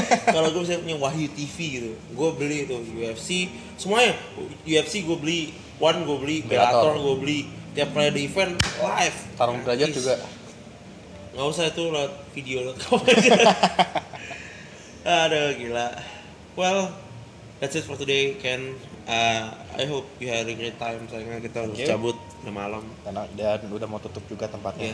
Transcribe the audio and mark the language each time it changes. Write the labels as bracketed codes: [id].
[id] Kalau gue misalnya punya Wahyu TV gitu, gue beli itu UFC. Semuanya UFC gue beli. One gue beli, Bellator gue beli. Tiap kali ada event, live. Tarung derajat juga. Gak usah itu lewat video lo kamu aja. Aduh, gila. [en] Well, that's it for today, Ken. I hope you had a great time. [id] Sayangnya kita harus cabut. Udah malam dan udah mau tutup juga tempatnya.